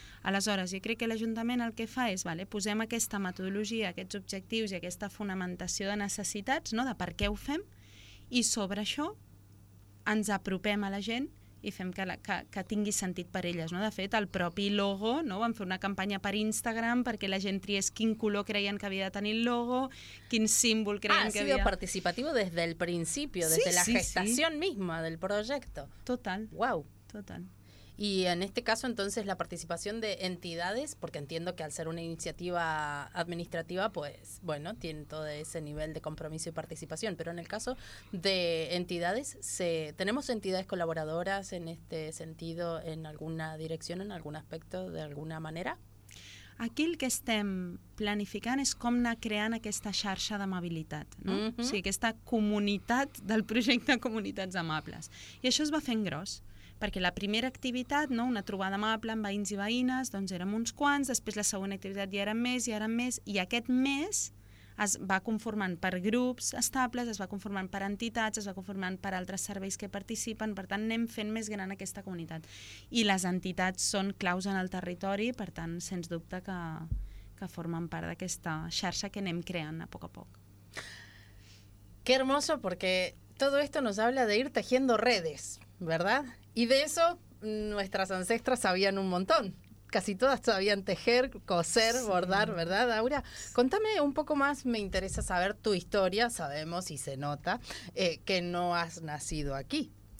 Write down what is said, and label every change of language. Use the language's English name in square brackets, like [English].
[Catalan] Aleshores, jo crec que l'Ajuntament el que fa és, vale, posem aquesta metodologia, aquests objectius i aquesta fonamentació de necessitats, no, de per què ho fem, i sobre això ens apropem a la gent i fem que tingui sentit per elles. No? De fet, el propi logo, no, vam fer una campanya per Instagram perquè la gent triés quin color creien que havia de tenir el logo, quin símbol creien que havia... [Spanish] Ha sido participativo desde el principio, sí, desde la gestación misma del proyecto. Total. Wow. Total. Y en este caso, entonces, la participación de entidades, porque entiendo que al ser una iniciativa administrativa, pues, bueno, tiene todo ese nivel de compromiso y participación. Pero en el caso de entidades, ¿tenemos entidades colaboradoras en este sentido, en alguna dirección, en algún aspecto, de alguna manera? [Catalan] Aquí el que estem planificant és com anar creant aquesta xarxa d'amabilitat, no? Uh-huh. O sigui, aquesta comunitat del projecte Comunitats Amables. I això es va fent gros. Perquè la primera activitat, no, una trobada amable amb veïns i veïnes, doncs érem uns quants, després la segona activitat ja eren més, ja eren més, i aquest mes es va conformant per grups estables, es va conformant per entitats, es va conformant per altres serveis que participen, per tant anem fent més gran aquesta comunitat. I les entitats són claus en el territori, per tant, sens dubte que formen part d'aquesta xarxa que anem creant a poc a poc. [Spanish] Qué hermoso, porque todo esto nos habla de ir tejiendo redes, ¿verdad? Y de eso nuestras ancestras sabían un montón. Casi todas sabían tejer, coser, sí. bordar, ¿verdad, Aura? Sí. Contame un poco más, me interesa saber tu historia. Sabemos y se nota que no has nacido aquí.